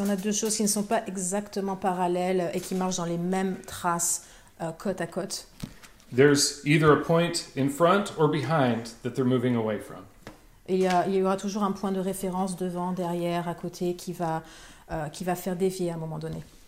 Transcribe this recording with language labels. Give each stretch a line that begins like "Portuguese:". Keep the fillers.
French: on a deux choses qui ne sont pas exactement parallèles et qui marchent dans les mêmes traces côte à côte.
English: There's either a point in front or behind that they're moving away from.
French: Et il, il y, aura toujours un point de référence devant, derrière, à côté, qui va, euh, qui va faire dévier à un moment donné.